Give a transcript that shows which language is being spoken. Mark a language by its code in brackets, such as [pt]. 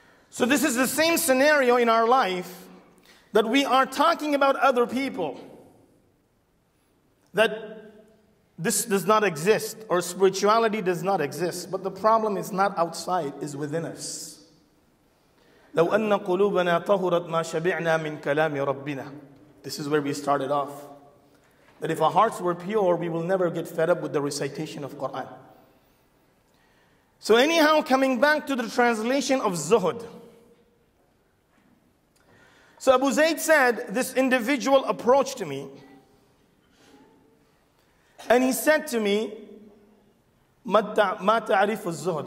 [en] So this is the same scenario in our life, that we are talking about other people, that this does not exist, or spirituality does not exist, but the problem is not outside, it's within us. [ar] لو أن قلوبنا طهرت ما شبعنا من كلام ربنا. [en] This is where we started off. That if our hearts were pure, we will never get fed up with the recitation of Quran. So anyhow, coming back to the translation of zuhud. So Abu Zayd said, this individual approached me, and he said to me, [ar] ما تعرف الزهد?